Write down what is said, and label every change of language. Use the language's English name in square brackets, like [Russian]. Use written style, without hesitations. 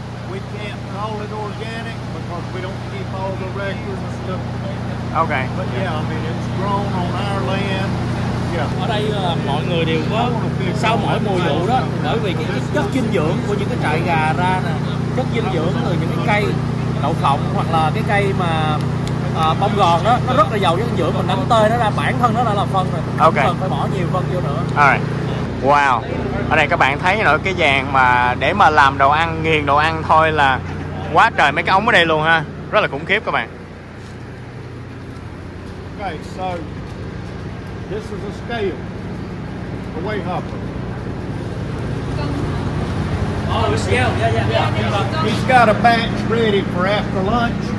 [English] We can't call it organic because we don't keep all the records and stuff. Ok. But yeah, I mean it's grown on our land. [Vietnamese] Ở đây mọi người đều có sau mỗi mùa vụ đó, bởi vì cái chất dinh dưỡng của những cái trại gà ra nè, chất dinh dưỡng từ những cái cây đậu phộng hoặc là cái cây mà bông gòn đó, nó rất là giàu dinh dưỡng, mình đánh tơi nó ra bản thân nó đã là phân rồi. [English] Okay. [Vietnamese] Không cần phải bỏ nhiều phân vô nữa. [English] Alright. [Vietnamese] Wow. Ở đây các bạn thấy nữa, cái vàng mà để mà làm đồ ăn, nghiền đồ ăn thôi là quá trời mấy cái ống ở đây luôn ha. Rất là khủng khiếp các bạn. [English] Okay, so this is a scale, a weight hopper. Oh, a scale, yeah. He's got a batch ready for after lunch.